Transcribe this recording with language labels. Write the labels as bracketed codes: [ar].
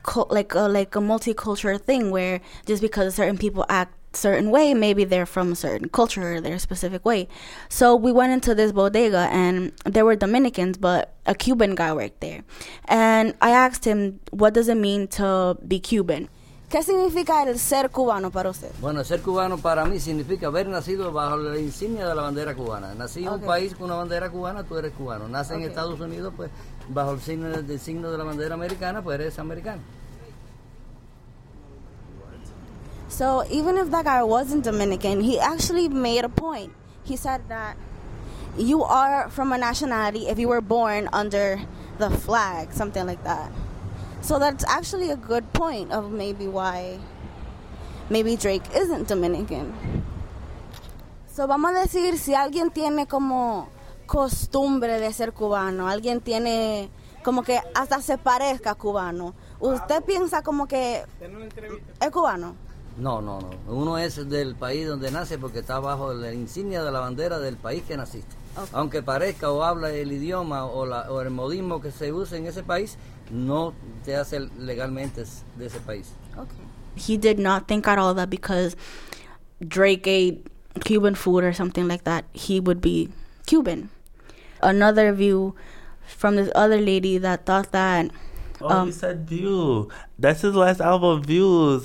[en] like a multicultural thing where just because certain people act certain way, maybe they're from a certain culture or their specific way. So we went into this bodega and there were Dominicans, but a Cuban guy worked there. And I asked him, what does it mean to be Cuban? [es] ¿Qué significa el ser cubano para usted? Bueno, ser cubano para mí significa haber nacido bajo la insignia de la bandera cubana. Nací en un país con una bandera cubana, tú eres cubano. Nace en Estados Unidos, pues bajo el signo de la bandera americana, pues eres americano. [en] So even if that guy wasn't Dominican, he actually made a point. He said that you are from a nationality if you were born under the flag, something like that. So that's actually a good point of maybe why maybe Drake isn't Dominican. [es] So vamos a decir si alguien tiene como costumbre de ser cubano, alguien tiene como que hasta se parezca cubano. ¿Usted piensa como que es cubano? No. Uno es del país donde nace porque está bajo la insignia de la bandera del país que naciste. Okay. Aunque parezca o habla el idioma o la o el modismo que se usa en ese país, no te hace legalmente de ese país. Okay. [en] He did not think at all that because Drake ate Cuban food or something like that, he would be Cuban. Another view from this other lady that thought that... Oh, you said View. That's his last album, Views.